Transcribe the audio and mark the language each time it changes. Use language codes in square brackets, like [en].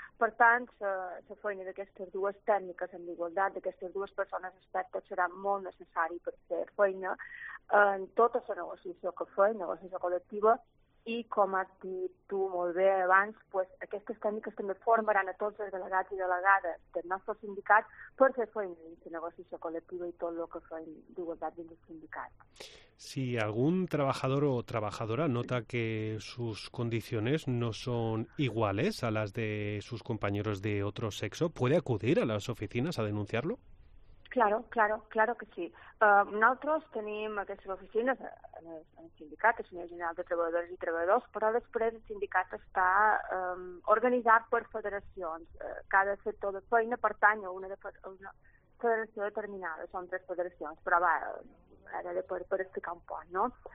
[ca] Per tant, la feina d'aquestes dues tècniques en igualtat, d'aquestes dues persones expertes, serà molt necessari per fer feina en tota la negociació que fem, negociació col·lectiva, i com has dit tu molt bé abans, pues, aquestes tècniques també formaran a tots els delegats i delegades del nostre sindicat per fer feina dins la negociació col·lectiva i tot el que fem d'igualtat dins el sindicat. [es] Si algun treballador o treballadora nota que sus condiciones no son iguales a las de sus compañeros de otro sexo, ¿puede acudir a las oficinas a denunciarlo? Claro que sí. [ca] Nosaltres tenim aquestes oficines en el sindicat, el Unió General de Treballadores i Treballadors, però després el sindicat està organitzat per federacions. Cada sector de feina pertany a una federació determinada, són tres federacions, però va, ara de per explicar un poc, no?